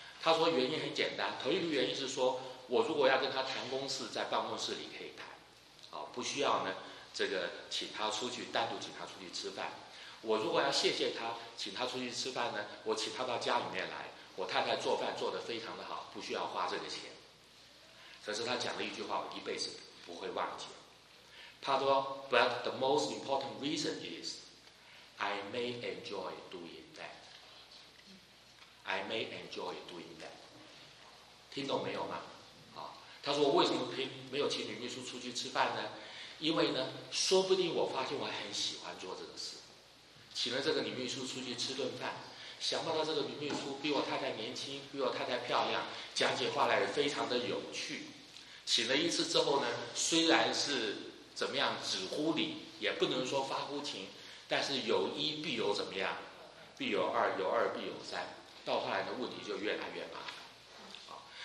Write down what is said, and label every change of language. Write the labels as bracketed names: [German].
[Chinese] 他说原因很简单，头一个原因是说我如果要跟他谈公事在办公室里可以谈啊，不需要呢这个请他出去单独请他出去吃饭，我如果要谢谢他请他出去吃饭呢，我请他到家里面来，我太太做饭做得非常的好，不需要花这个钱。可是他讲了一句话我一辈子不会忘记，他说 [English] But the most important reason is I may enjoy doing that, I may enjoy doing that, [Chinese] 听懂没有吗啊？他说我为什么可以没有请女秘书出去吃饭呢，因为呢说不定我发现我很喜欢做这个事，请了这个女秘书出去吃顿饭，想不到这个女秘书比我太太年轻比我太太漂亮，讲起话来非常的有趣，请了一次之后呢虽然是怎么样只乎礼也不能说发乎情，但是有一必有怎么样必有二，有二必有三，到后来的问题就越来越麻烦啊。